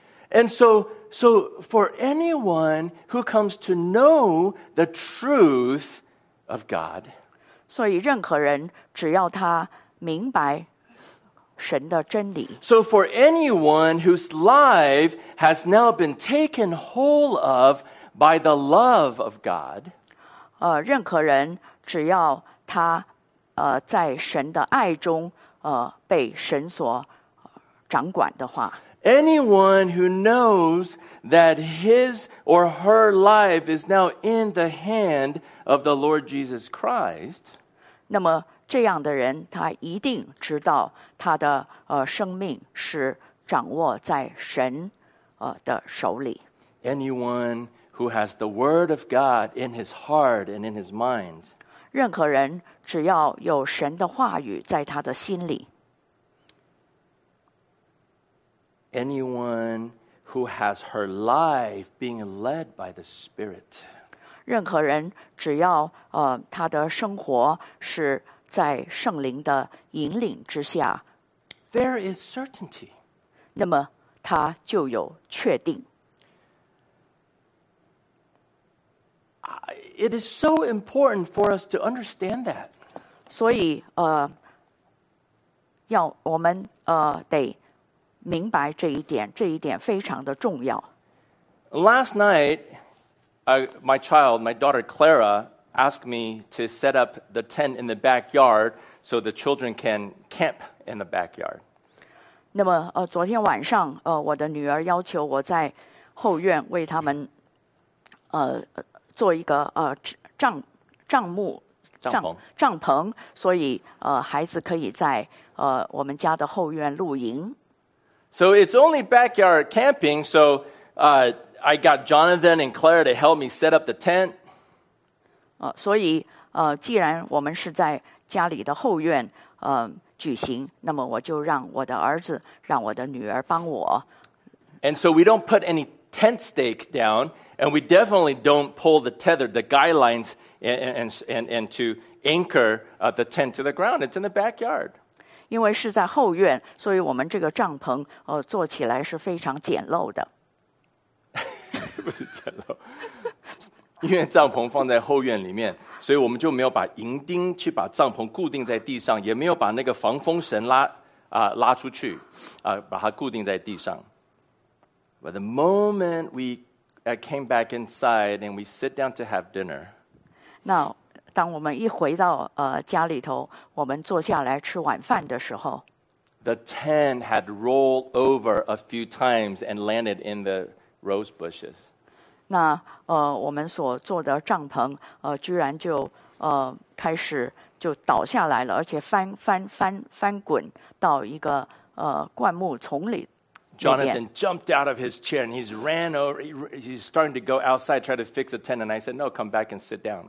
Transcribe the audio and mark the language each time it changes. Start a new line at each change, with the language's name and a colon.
English: And so for anyone who comes to know the truth of God,
Chinese: 所以任何人只要他明白神的真理。
English: So for anyone whose life has now been taken hold of by the love of God,
Chinese: 任何人只要他在神的爱中被神所掌管的话。
English: Anyone who knows that his or her life is now in the hand of the Lord Jesus Christ,
Chinese: 那么这样的人他一定知道他的生命是掌握在神的手里。
English: Anyone who has the word of God in his heart and in his mind,
Chinese: 任何人只要有神的话语在他的心里。
English: Anyone who has her life being led by the Spirit,
Chinese: 任何人只要他的生活是在圣灵的引领之下，
English: There is certainty.
Chinese: 那么他就有确定。
English: It is so important for us to understand that.
Chinese: 所以要我们得明白这一点，这一点非常的重要。
English: Last night, my daughter Clara asked me to set up the tent in the backyard so the children can camp in the backyard.
Chinese: 那么昨天晚上我的女儿要求我在后院为他们做一个帐篷，所以孩子可以在我们家的后院露营。
English: So it's only backyard camping. So I got Jonathan and Claire to help me set up the tent.
Chinese: 所以既然我们是在家里的后院举行，那么我就让我的儿子，让我的女儿帮我。
English: And so we don't put any tent stake down. And we definitely don't pull the tether, the guy lines, and to anchor the tent to the ground. It's in the backyard.
Chinese: 因为是在后院，所以我们这个帐篷做起来是非常简陋的。不是简陋，因为帐篷放在后院里面，所以我们就没有把银钉去把帐篷固定在地上，也没有把那个防风绳拉出去把它固定在地上。
English: But the moment I came back inside and we sit down to have dinner.
Chinese: 那当我们一回到家里头，我们坐下来吃晚饭的时候，
English: the tent had rolled over a few times and landed in the rose bushes.
Chinese: 那我们所做的帐篷居然就开始就倒下来了，而且翻滚到一个灌木丛里
English: Jonathan jumped out of his chair, and he's starting to go outside, try to fix a tent. And I said, no, come back and sit down.